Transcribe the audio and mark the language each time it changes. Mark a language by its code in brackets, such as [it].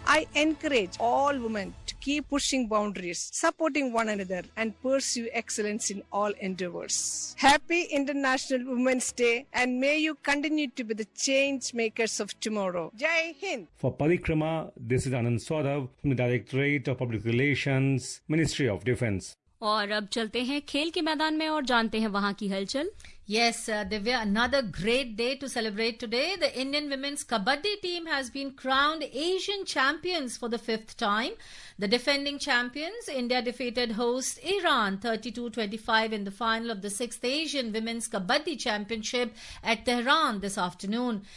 [en] I encourage all women to keep pushing boundaries, supporting one another, and pursue excellence in all endeavors. Happy International Women's Day, and may you continue to be the change makers of tomorrow. Jai Hind! For Parikrama, this is Anand Saurav from the Directorate of Public Relations, Ministry of Defense. [hi] और अब चलते हैं खेल के मैदान में और जानते हैं वहाँ की हलचल. [en] Yes, Divya, another great day to celebrate today. The Indian women's kabaddi team has been crowned Asian champions for the fifth time. The defending champions, India, defeated host Iran 32-25 in the final of the sixth Asian women's kabaddi championship at Tehran this afternoon.